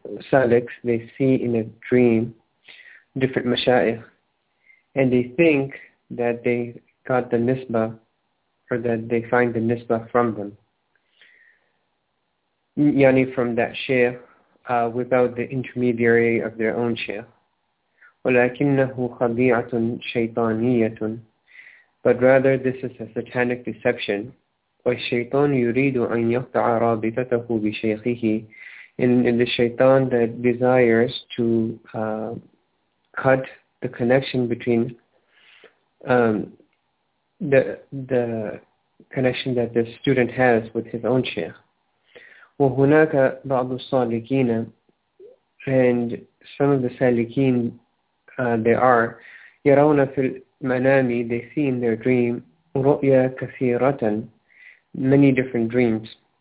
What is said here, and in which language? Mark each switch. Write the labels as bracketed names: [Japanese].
[English] Salics, they see in a dream different mashayikh, and they think that they got the nisbah, or that they find the nisbah from them, yani from that shaykh, without the intermediary of their own shaykh. [Arabic] ولكنه خديعة شيطانية, [English] but rather this is a satanic deception. [Arabic] والشيطان يريد أن يقطع رابطته بشيخه. [English] And the shaitan that desires to cut the connection between the connection that the student has with his own sheikh. [Arabic] وهناك بعض الصالحين, [English] and some of the salikin they are, [Arabic] يرون في المنام, [English] they see in their dream, [Arabic] رؤيا كثيرة, [English] many different dreams.